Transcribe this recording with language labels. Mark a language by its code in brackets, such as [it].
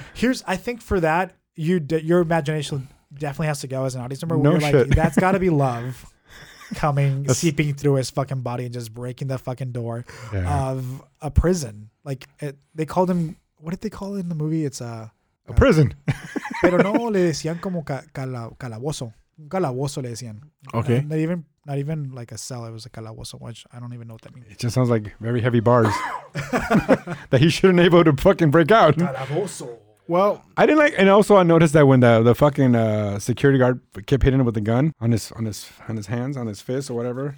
[en] Here's, I think for that, your imagination definitely has to go as an audience member. No shit. That's got to be love coming, seeping through his fucking body and just breaking the fucking door of a prison. Like, they called him, what did they call it in the movie? It's a prison. [es] Pero no le decían como calabozo. Calabozo le decían. [en] Okay. They even. Not even like a cell. It was a calabozo, which I don't even know what that means. It just sounds like very heavy bars that he shouldn't able to fucking break out. [es] Calabozo. [en] Well, I didn't like, and also I noticed that when the fucking security guard kept hitting him with the gun on his hands, on his fist or whatever.